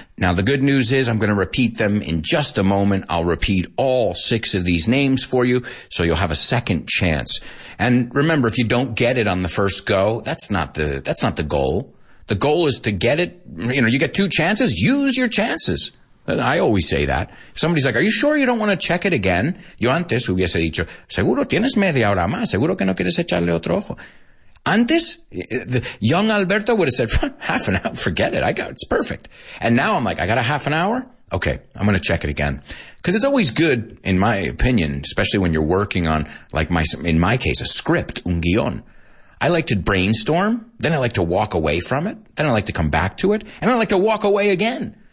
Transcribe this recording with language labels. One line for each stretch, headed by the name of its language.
English: Now, the good news is I'm going to repeat them in just a moment. I'll repeat all six of these names for you, so you'll have a second chance. And remember, if you don't get it on the first go, that's not the goal. The goal is to get it, you know, you get two chances, use your chances. I always say that. If somebody's like, are you sure you don't want to check it again?
Spanish: Yo antes hubiese dicho, seguro tienes media hora más, seguro que no quieres echarle otro ojo.
English: Antes, the young Alberto would have said, half an hour, forget it, it's perfect. And now I'm like, I got a half an hour? Okay, I'm going to check it again. Because it's always good, in my opinion, especially when you're working on, like in my case, a script, un guion. I like to brainstorm, then I like to walk away from it, then I like to come back to it, and I like to walk away again.